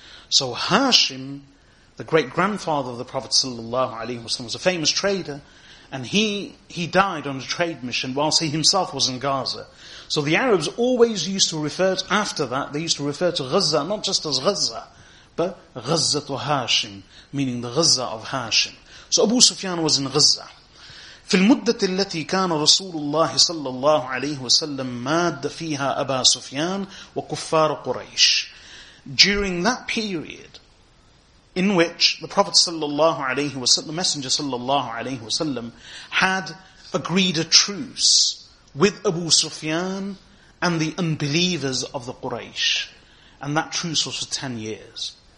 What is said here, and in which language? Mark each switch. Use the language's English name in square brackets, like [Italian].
[English] So Hashim, the great grandfather of the Prophet sallallahu alaihi wasallam, was a famous trader. And he died on a trade mission whilst he himself was in Gaza. So the Arabs always used to refer to, after that, they used to refer to Gaza, not just as Gaza, but Ghazzatu Hashim, meaning the Gaza of Hashim. So Abu Sufyan was in Gaza. [Arabic] في المدة التي كان رسول الله صلى الله عليه وسلم ماد فيها أبا سفيان وكفار قريش. [English] During that period, in which the Prophet sallallahu alaihi wasallam, the Messenger sallallahu alaihi wasallam, had agreed a truce with Abu Sufyan and the unbelievers of the Quraysh, and that truce was for 10 years.